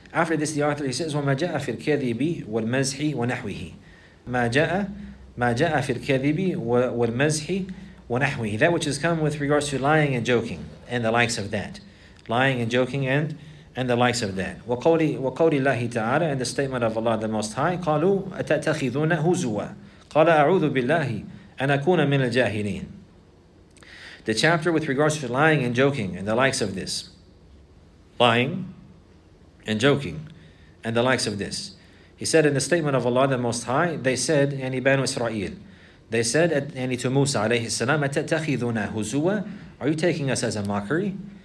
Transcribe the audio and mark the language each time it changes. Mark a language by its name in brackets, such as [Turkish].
[English] After this, the author, he says, [Arabic] وَمَا جَاءَ فِي الْكَذِبِ وَالْمَزْحِ وَنَحْوِهِ مَا جَاءَ فِي الْكَذِبِ وَالْمَزْحِ وَنَحْوِهِ. [English] That which has come with regards to lying and joking and the likes of that. Lying and joking and the likes of that. [Arabic] وَقَوْلِ اللَّهِ تَعَالَى, [English] and the statement of Allah the Most High, [Arabic] قَالُوا أَتَتَخِذُونَ هُزُوًا قَالَ أَعُوذُ بِاللَّهِ أَنْ أَكُونَ مِنَ الْجَاهِلِينَ. [English] The chapter with regards to lying and joking and the likes of this. Lying and joking, and the likes of this. He said in the statement of Allah the Most High, they said, yani Banu Israel, they said to Musa alayhi salam, [Arabic] أَتَتَخِذُنَا هُزُوَا, [English] are you taking us as a mockery?